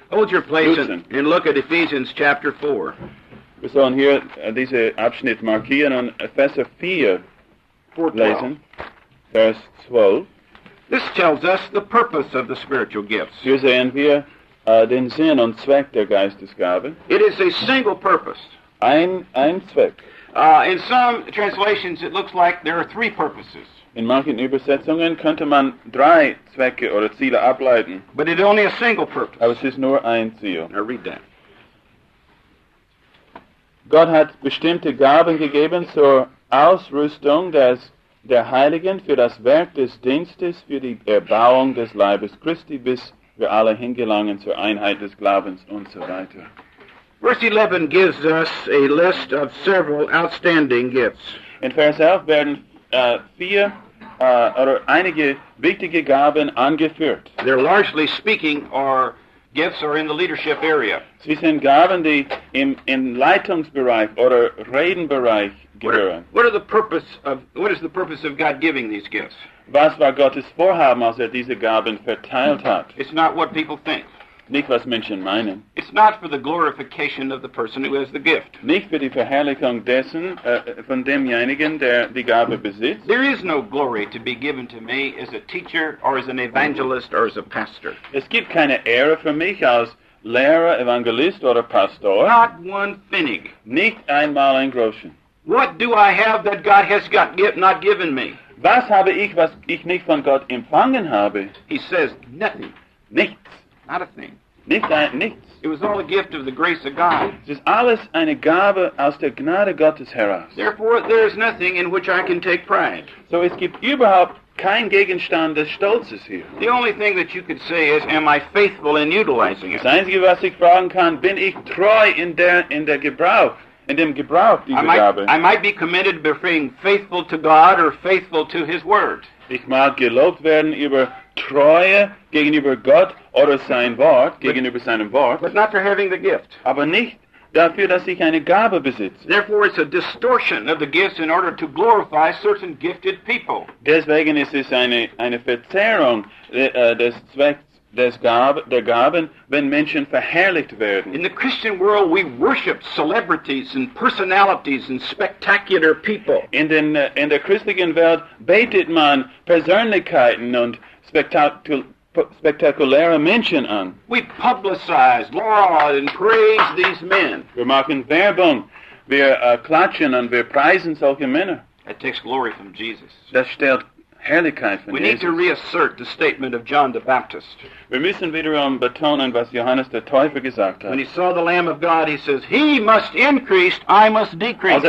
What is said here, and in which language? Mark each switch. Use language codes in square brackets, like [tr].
[en] Hold your place and look at Ephesians chapter 4. [de] Wir sollen hier diese Abschnitt markieren und Epheser 4 lesen, Vers 12. [en] This tells us the purpose of the spiritual gifts. [de] Hier sehen wir den Sinn und Zweck der Geistesgabe. [en] It is a single purpose. [de] Ein Zweck. [en] In some translations, it looks like there are three purposes. [de] In manchen Übersetzungen könnte man drei Zwecke oder Ziele ableiten. [en] But it's only a single purpose. [de] Aber es ist nur ein Ziel. [en] Now read that. [de] Gott hat bestimmte Gaben gegeben zur Ausrüstung der Heiligen für das Werk des Dienstes für die Erbauung des Leibes Christi, bis wir alle hingelangen zur Einheit des Glaubens und so weiter. [en] Verse 11 gives us a list of several outstanding gifts. [de] In Vers 11 werden vier oder einige wichtige Gaben angeführt. [en] They're largely speaking are gifts are in the leadership area. [de] Sie sind Gaben, die im Leitungsbereich oder Redenbereich gehören. [en] What is the purpose of God giving these gifts? [de] Was war Gottes Vorhaben, als diese Gaben verteilt hat? [en] It's not what people think. [de] Nicht, was Menschen meinen. [en] It's not for the glorification of the person who has the gift. [de] Nicht für die Verherrlichung dessen, von demjenigen, der die Gabe besitzt. [en] There is no glory to be given to me as a teacher or as an evangelist or as a pastor. [de] Es gibt keine Ehre für mich als Lehrer, Evangelist oder Pastor. [en] Not one pfennig. [de] Nicht einmal ein Groschen. [en] What do I have that God has not given me? [de] Was habe ich, was ich nicht von Gott empfangen habe? [en] He says nothing. [de] Nichts. [en] Not a thing. [de] Nichts. [en] It was all a gift of the grace of God. [de] Es ist alles eine Gabe aus der Gnade Gottes heraus. [en] Therefore, there is nothing in which I can take pride. [de] So es gibt überhaupt kein Gegenstand des Stolzes hier. [en] The only thing that you could say is, am I faithful in utilizing it? [de] Das Einzige, was ich fragen kann, bin ich treu in der Gebrauch, in dem Gebrauch dieser Gabe? [en] I might be committed to being faithful to God or faithful to His Word. [de] Ich mag gelobt werden über Treue gegenüber Gott oder gegenüber seinem Wort. [en] But not for having the gift. [de] Aber nicht dafür, dass ich eine Gabe besitze. [en] Therefore, it's a distortion of the gifts in order to glorify certain gifted people. [de] Deswegen ist es eine Verzerrung des Zwecks der Gaben, wenn Menschen verherrlicht werden. [en] In the Christian world, we worship celebrities and personalities and spectacular people. [de] In der christlichen Welt betet man Persönlichkeiten und spektakuläre Menschen an. [en] We publicize, laud, and praise these men. [de] Wir machen Werbung. Wir klatschen und wir preisen solche Männer. [en] It takes glory from Jesus. [de] Das stellt Herrlichkeit von [en] we [de] Jesus. [en] We need to reassert the statement of John the Baptist. [de] Wir müssen wiederum betonen, was Johannes der Täufer gesagt hat. [en] When he saw the Lamb of God, he says, he must increase, I must decrease.